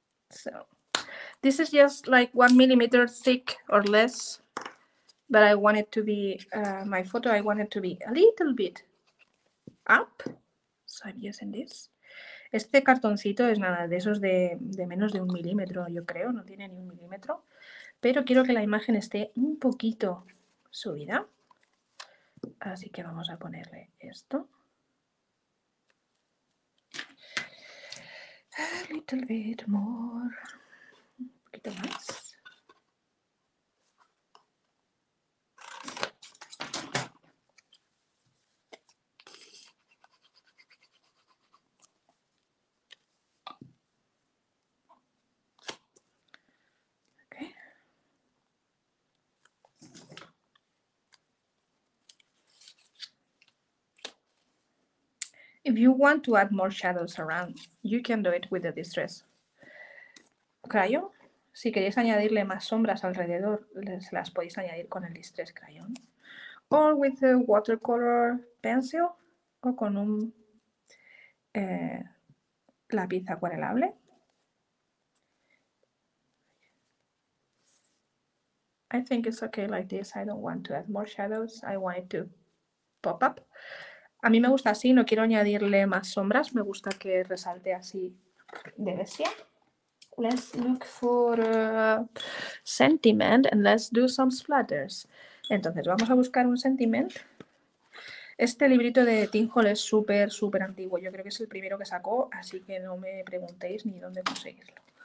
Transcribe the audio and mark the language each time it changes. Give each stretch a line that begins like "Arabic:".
English: So, this is just like 1 millimeter thick or less but I want it to be my photo. I want it to be a little bit up. So I'm using this.
Spanish: Este cartoncito es nada de esos de menos de un milímetro, yo creo. No tiene ni un milímetro. Pero quiero que la imagen esté un poquito subida. Así que vamos a ponerle esto.
English: A little bit more.
Spanish: Un poquito más.
English: If you want to add more shadows around, you can do it with the distress crayon.
Spanish: Si queréis añadirle más sombras alrededor, les las podéis añadir con el distress crayon.
English: Or with a watercolor pencil,
Spanish: o con un lápiz acuarelable.
English: I think it's okay like this. I don't want to add more shadows. I want it to pop up.
Spanish: A mí me gusta así, no quiero añadirle más sombras, me gusta que resalte así de bestia.
English: Let's look for sentiment and let's do some splatters.
Spanish: Entonces, vamos a buscar un sentiment. Este librito de Tim Hall es súper, súper antiguo. Yo creo que es el primero que sacó, así que no me preguntéis ni dónde conseguirlo.